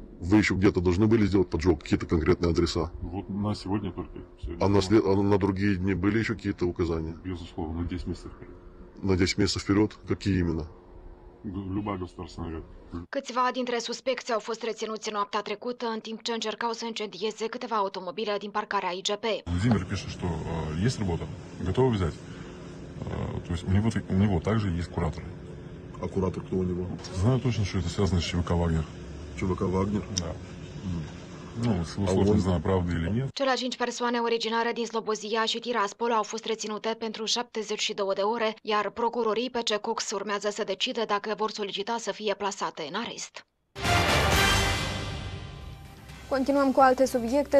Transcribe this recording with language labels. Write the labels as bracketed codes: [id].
[ru] Вы еще где-то должны были сделать поджог, какие-то конкретные адреса? Вот на сегодня только. На другие дни были еще какие-то указания? Безусловно, на 10 месяцев вперед. На 10 месяцев вперед? Какие именно? Любая государственная. [ro] Câțiva dintre suspecți au fost reținuți noaptea trecută în timp ce încercau să incendieze câteva automobile din parcarea IGP. [ru] Владимир пишет, что есть работа, готовы взять. То есть у него также есть куратор. А куратор кто у него? Знаю точно, что это связано с ЧВК Вагнер. [ro] Cele 5 persoane originare din Slobozia și Tiraspol au fost reținute pentru 72 de ore, iar procurorii pe CECOX urmează să decide dacă vor solicita să fie plasate în arest. Continuăm cu alte subiecte.